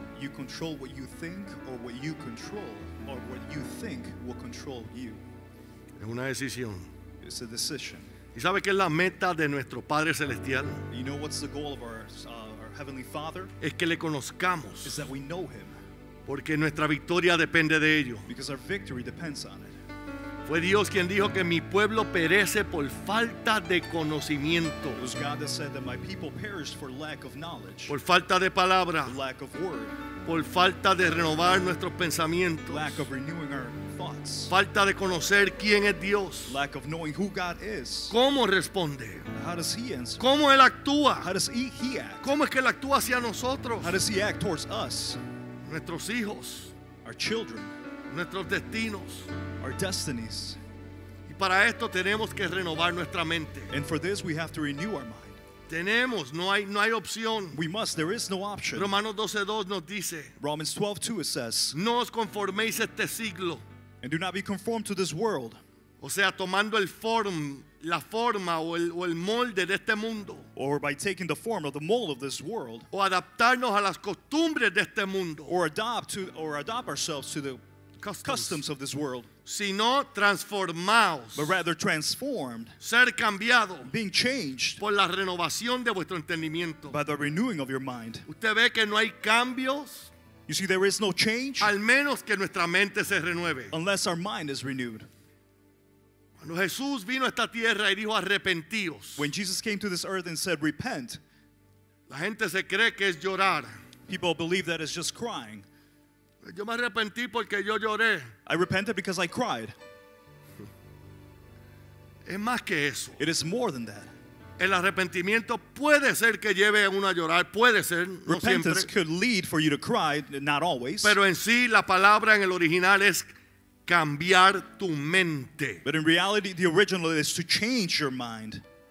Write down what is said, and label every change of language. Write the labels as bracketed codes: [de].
[en] You control what you think or what you control or what you think will control you. [es] Es una decisión. [en] It's a decision. [es] ¿Y sabe qué es la meta de nuestro Padre Celestial? [en] You know what's the goal of our Heavenly Father? [es] Es que le conozcamos. [en] Is that we know Him. [es] Porque nuestra victoria depende de ello. [en] Because our victory depends on it. [es] Fue Dios quien dijo que mi pueblo perece por falta de conocimiento. [en] It was God that said that my people perished for lack of knowledge. [es] Por falta de palabra. [en] Lack of word. [es] Por falta de renovar nuestros pensamientos. [en] Lack of renewing our thoughts. [es] Falta de conocer quién es Dios. [en] Lack of knowing who God is. [es] ¿Cómo responde? [en] How does he answer? [es] ¿Cómo él actúa? [en] How does he act? [es] ¿Cómo es que él actúa hacia nosotros? [en] How does he act towards us? [es] Nuestros hijos. [en] Our children. [es] Nuestros destinos. [en] Our destinies. [es] Y para esto tenemos que renovar nuestra mente. [en] And for this we have to renew our mind. [es] Tenemos, no hay opción. [en] We must, there is no option. [es] Romanos 12:2 nos dice. [en] Romans 12:2 it says. [es] No os conforméis este siglo. [en] And do not be conformed to this world. [es] O sea, tomando el form, la forma o el molde de este mundo. [en] Or by taking the form or the mold of this world. [es] O adaptarnos a las costumbres de este mundo. [en] Or adopt ourselves to the customs of this world. [es] Sino transformaos, [en] but rather transformed, [es] ser cambiado, [en] being changed, [es] por la renovación de vuestro entendimiento, [en] by the renewing of your mind. [es] Usted ve que no hay cambios, [en] you see there is no change, [es] al menos que nuestra mente se renueve, [en] unless our mind is renewed. [es] Cuando Jesús vino a esta tierra y dijo arrepentíos, [en] when Jesus came to this earth and said repent, [es] la gente se cree que es llorar, [en] people believe that it's just crying. [es] Yo me arrepentí porque yo lloré. [en] I repented because I cried. [es] Es más que eso. [en] It is more than that. [es] El arrepentimiento puede ser que lleve a uno a llorar, puede ser, no siempre. [en] Repentance could lead for you to cry, not always. [es] Pero en sí, la palabra en el original es cambiar tu mente. [en] But in reality, the original is to change your mind.